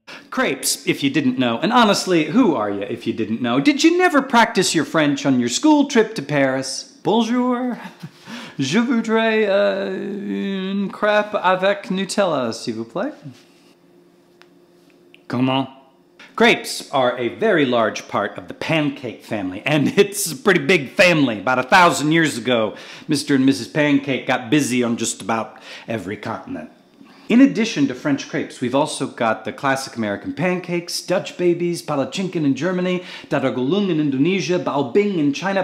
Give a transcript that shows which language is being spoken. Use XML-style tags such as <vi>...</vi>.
<en>Crepes, if you didn't know, and honestly, who are you if you didn't know? Did you never practice your French on your school trip to Paris?</en> <fr>Bonjour, je voudrais une crêpe avec Nutella, s'il vous plaît. Comment?</fr> <en>Crepes are a very large part of the pancake family, and it's a pretty big family. About 1,000 years ago, Mr. and Mrs. Pancake got busy on just about every continent. In addition to French crepes, we've also got the classic American pancakes, Dutch babies, palacinken in Germany, dadagulung in Indonesia, baobing in China.</en>